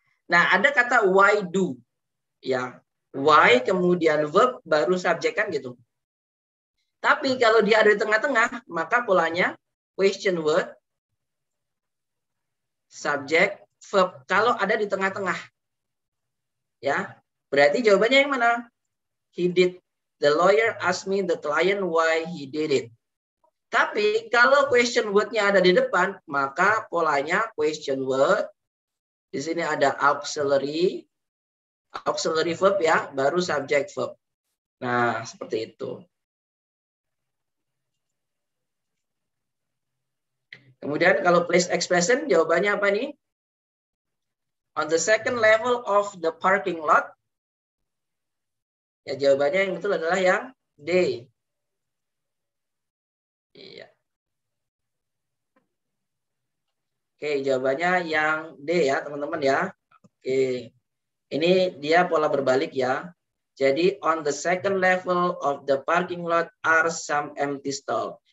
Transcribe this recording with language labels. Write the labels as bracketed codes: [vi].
[id] Nah, ada kata why do ya, why kemudian verb baru subjek kan gitu. Tapi kalau dia ada di tengah-tengah, maka polanya question word subjek verb kalau ada di tengah-tengah. Ya, berarti jawabannya yang mana? [en] He did. The lawyer asked me the client why he did it. [id] Tapi kalau question word-nya ada di depan, maka polanya question word. Di sini ada auxiliary verb ya, baru subject verb. Nah, seperti itu. Kemudian kalau place expression, jawabannya apa nih? [en] On the second level of the parking lot. [id] Ya, jawabannya yang betul adalah yang D. Iya. Oke, jawabannya yang D ya, teman-teman ya. Oke. Ini dia pola berbalik ya. [en] Jadi on the second level of the parking lot are some empty stall.